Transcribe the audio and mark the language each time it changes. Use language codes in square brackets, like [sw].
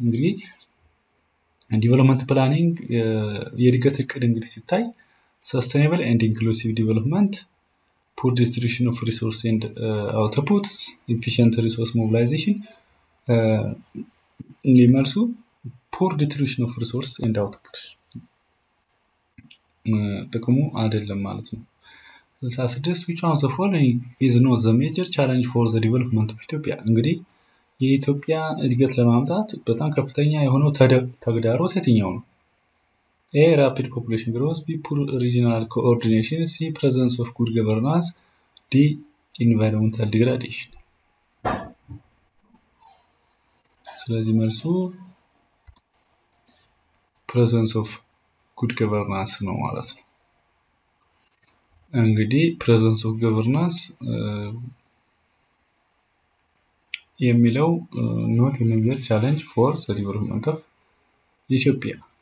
[am] እንግዲህ [en] development planning [am] የእድገት እቅድ እንግዲህ ሲታይ [en] sustainable and inclusive development poor distribution of resources and outputs, efficient resource mobilization. [am] ሊመልሱ [en] poor distribution of resources and outputs. [am] ጥቅሙ አይደለም ማለት ነው። [en] 66 which one of the following is not the major challenge for the development of Ethiopia? [am] እንግዲህ የኢትዮጵያ እድገት ለማምጣት በጣም ከፍተኛ የሆነው ተግዳሮት የትኛው ነው? [en] A. rapid population growth, B. poor regional coordination, C. presence of good governance, D. environmental degradation. [am] ስለዚህ መልሱ [en] presence of good governance [am] ነው ማለት ነው። እንግዲህ [en] presence of governance [am] የሚለው [en] not a major challenge for the development of Ethiopia.